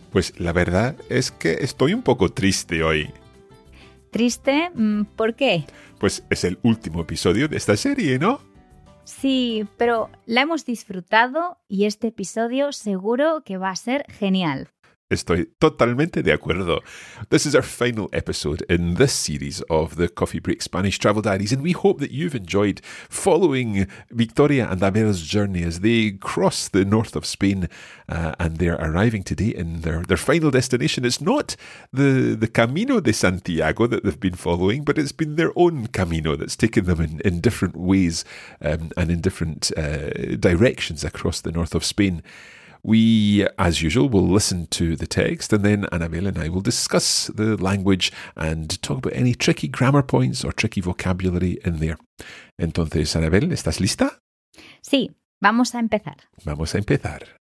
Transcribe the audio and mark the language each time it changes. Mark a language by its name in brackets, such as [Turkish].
[Spanish] Pues la verdad es que estoy un poco triste hoy. ¿Triste? ¿Por qué? Pues es el último episodio de esta serie, ¿no? Sí, pero la hemos disfrutado y este episodio seguro que va a ser genial. Estoy totalmente de acuerdo. [English] This is our final episode in this series of the Coffee Break Spanish Travel Diaries, and we hope that you've enjoyed following Victoria and Abel's journey as they cross the north of Spain and they're arriving today in their final destination. It's not the Camino de Santiago that they've been following, but it's been their own Camino that's taken them in different ways and in different directions across the north of Spain. We, as usual, will listen to the text and then Anabel and I will discuss the language and talk about any tricky grammar points or tricky vocabulary in there. [Spanish] Entonces, Anabel, ¿estás lista? Sí, vamos a empezar. Vamos a empezar.